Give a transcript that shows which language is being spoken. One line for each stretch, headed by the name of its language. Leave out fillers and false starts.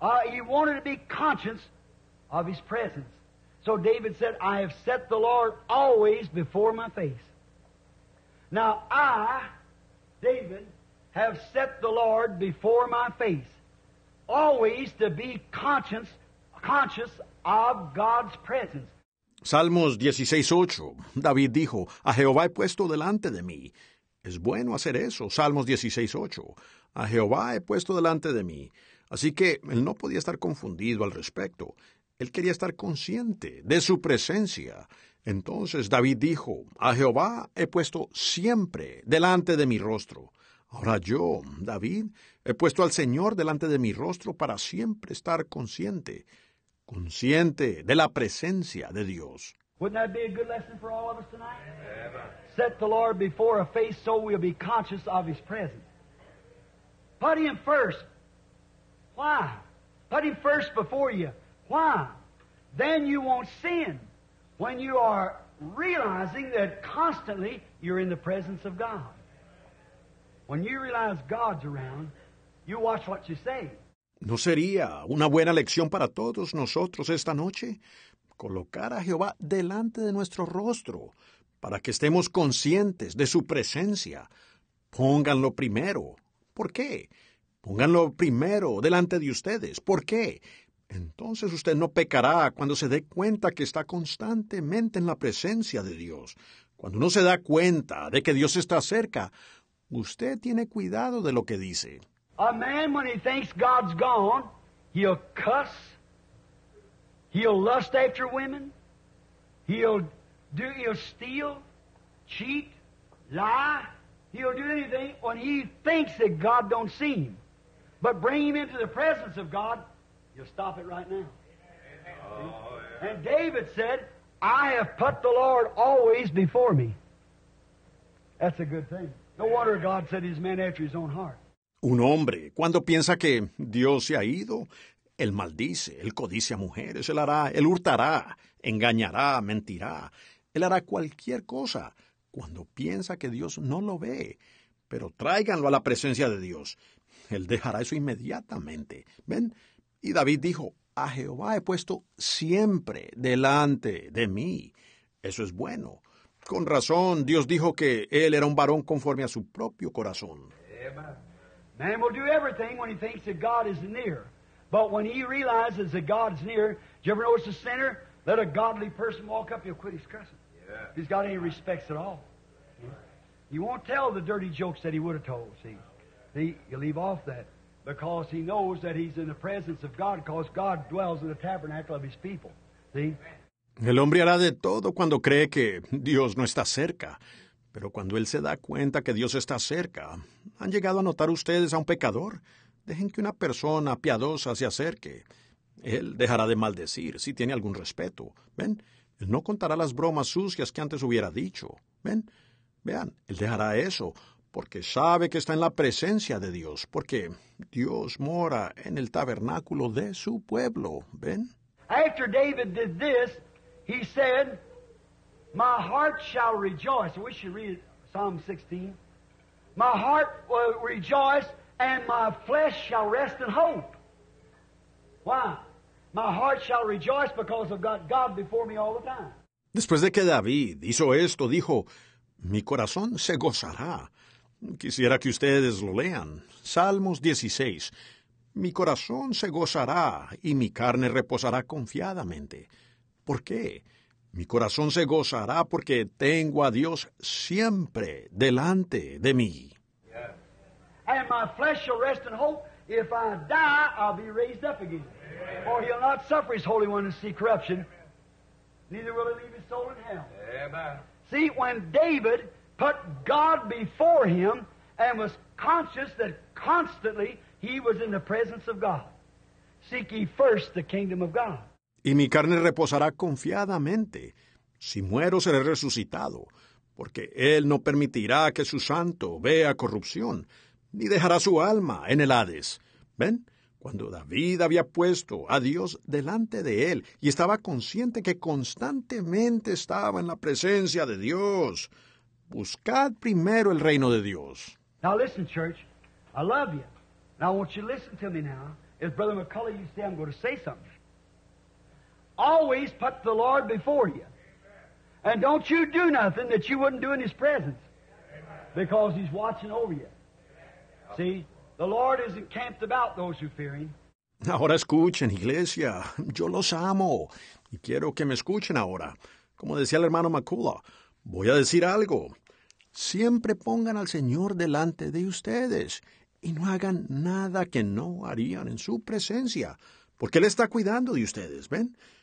English: He wanted to be conscious of his presence. So David said, I have set the Lord always before my face. Now I, David, have set the Lord before my face, always to be conscious of God's presence.
Spanish: Salmos 16:8. David dijo, a Jehová he puesto delante de mí. Es bueno hacer eso. Salmos 16:8. A Jehová he puesto delante de mí. Así que él no podía estar confundido al respecto. Él quería estar consciente de su presencia. Entonces David dijo, a Jehová he puesto siempre delante de mi rostro. Ahora yo, David, he puesto al Señor delante de mi rostro para siempre estar consciente. Consciente de la presencia de Dios.
English: Wouldn't that be a good lesson for all of us tonight? Set the Lord before a face so we'll be conscious of His presence. Put Him first. Why? Put Him first before you. Why? Then you won't sin when you are realizing that constantly you're in the presence of God. When you realize God's around, you watch what you say.
Spanish: ¿No sería una buena lección para todos nosotros esta noche? Colocar a Jehová delante de nuestro rostro para que estemos conscientes de su presencia. Pónganlo primero. ¿Por qué? Pónganlo primero delante de ustedes. ¿Por qué? Entonces usted no pecará cuando se dé cuenta que está constantemente en la presencia de Dios. Cuando uno se da cuenta de que Dios está cerca, usted tiene cuidado de lo que dice.
English: A man, when he thinks God's gone, he'll cuss, he'll lust after women, he'll steal, cheat, lie, he'll do anything when he thinks that God don't see him. But bring him into the presence of God, you'll stop it right now. Oh, yeah. And David said, I have put the Lord always before me. That's a good thing. No wonder God said his man after his own heart.
Spanish: Un hombre, cuando piensa que Dios se ha ido, él maldice, él codicia mujeres, él hará, él hurtará, engañará, mentirá. Él hará cualquier cosa cuando piensa que Dios no lo ve. Pero tráiganlo a la presencia de Dios. Él dejará eso inmediatamente. ¿Ven? Y David dijo, a Jehová he puesto siempre delante de mí. Eso es bueno. Con razón, Dios dijo que él era un varón conforme a su propio corazón.
English: Man will do everything when he thinks that God is near. But when he realizes that God is near, do you ever notice a sinner? Let a godly person walk up, he'll quit his cussing. Yeah. He's got any respects at all. He won't tell the dirty jokes that he would have told, see. He'll leave off that because he knows that he's in the presence of God because God dwells in the tabernacle of his people, see.
Spanish: El hombre hará de todo cuando cree que Dios no está cerca. Pero cuando él se da cuenta que Dios está cerca, ¿han llegado a notar ustedes a un pecador? Dejen que una persona piadosa se acerque. Él dejará de maldecir si tiene algún respeto. ¿Ven? Él no contará las bromas sucias que antes hubiera dicho. ¿Ven? Vean, él dejará eso porque sabe que está en la presencia de Dios, porque Dios mora en el tabernáculo de su pueblo. ¿Ven?
English: After David did this, he said, "My heart shall rejoice." We should read Psalm 16. "My heart will rejoice, and my flesh shall rest in hope." Why? My heart shall rejoice because I've got God before me all the time.
Spanish: Después de que David hizo esto, dijo, "Mi corazón se gozará." Quisiera que ustedes lo lean. Salmos 16. "Mi corazón se gozará y mi carne reposará confiadamente." ¿Por qué? Mi corazón se gozará porque tengo a Dios siempre delante de mí.
English: And my flesh shall rest in hope. If I die, I'll be raised up again. For he'll not suffer his Holy One to see corruption. Neither will he leave his soul in hell. See, when David put God before him and was conscious that constantly he was in the presence of God. Seek ye first the kingdom of God.
Spanish: Y mi carne reposará confiadamente. Si muero, seré resucitado, porque él no permitirá que su santo vea corrupción, ni dejará su alma en el Hades. ¿Ven? Cuando David había puesto a Dios delante de él y estaba consciente que constantemente estaba en la presencia de Dios, buscad primero el reino de Dios.
English: Now listen, church. I love you. Now I want you to listen to me now. As Brother McCullough used to say, I'm going to say something. Always put the Lord before you. And don't you do nothing that you wouldn't do in his presence. Because he's watching over you. See, the Lord isn't camped about those who fear him.
Spanish: Ahora escuchen, iglesia. Yo los amo. Y quiero que me escuchen ahora. Como decía el hermano McCullough, voy a decir algo. Siempre pongan al Señor delante de ustedes y no hagan nada que no harían en su presencia, porque Él está cuidando de ustedes, ¿ven?